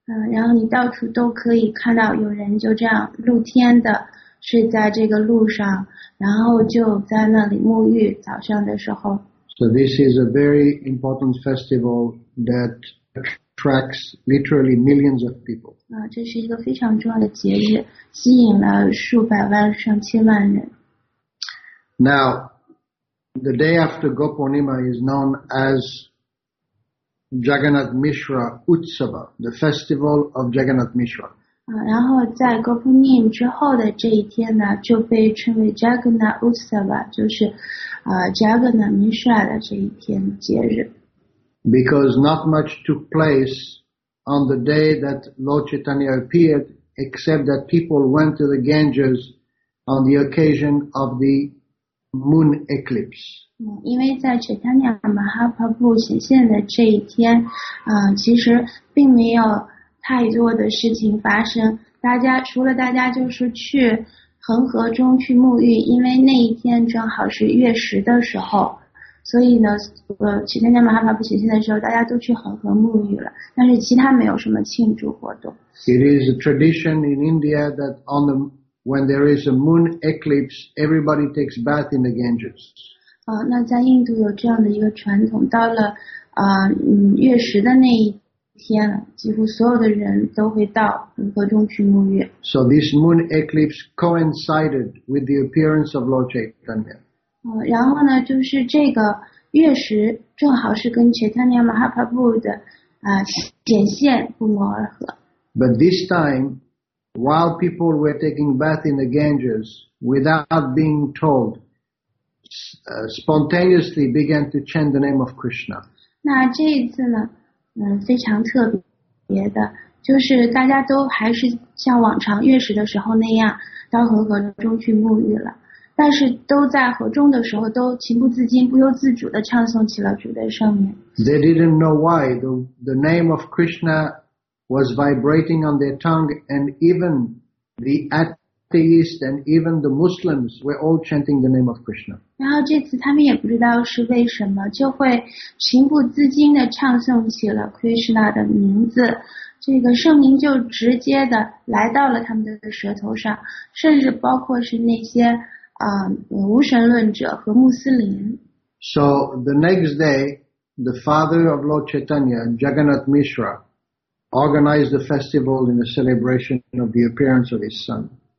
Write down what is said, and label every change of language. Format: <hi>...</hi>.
<zh>然后你到处都可以看到有人就这样露天的睡在这个路上，然后就在那里沐浴早上的时候。</zh> <en>So this is a very important festival that attracts literally millions of people.</en> <zh>这是一个非常重要的节日，吸引了数百万上千万人。</zh> <en>Now,The day after Gopurnima is known as Jagannath Mishra Utsava, the festival of Jagannath Mishra.</en> <zh>然后在 Gopurnima 之后的这一天呢，就被称为 Jagannath Utsava, 就是 Jagannath Mishra 的这一天节日。</zh> <en>because not much took place on the day that Lord Chaitanya appeared, except that people went to the Ganges on the occasion of the moon eclipse.</en> <zh>因为在 Chaitanya Mahaprabhu 显现的这一天，其实并没有太多的事情发生。大家除了大家就是去恒河中去沐浴，因为那一天正好是月食的时候。所以呢，齐天天马哈巴布显现的时候，大家都去恒河沐浴了，但是其他没有什么庆祝活动。</zh> <en>It is a tradition in India that when there is a moon eclipse, everybody takes bath in the Ganges.</en> <zh>那在印度有这样的一个传统，到了月食的那一天，几乎所有的人都会到恒河中去沐浴。</zh> <en>So this moon eclipse coincided with the appearance of Lord Chaitanya.</en> <zh>然后呢，就是这个月食正好是跟 Chaitanya Mahaprabhu 的显现不谋而合。</zh> <en>But this time, while people were taking bath in the Ganges, without being told, spontaneously began to chant the name of Krishna.</en> <zh>那这一次呢，非常特别的，就是大家都还是像往常月食的时候那样，到恒河中去沐浴了。但是都在河中的时候都情不自禁不由自主地唱诵起了主的圣名。</zh> <en>They didn't know why the name of Krishna was vibrating on their tongue and even the atheists and even the Muslims were all chanting the name of Krishna.</en> <zh>然后这次他们也不知道是为什么就会情不自禁地唱诵起了 Krishna 的名字。这个圣名就直接地来到了他们的舌头上，甚至包括是那些无神论者和穆斯林。</zh> <en>So the next day, the father of Lord Chaitanya, Jagannath Mishra, organized a festival in the celebration of the appearance of his son.</en>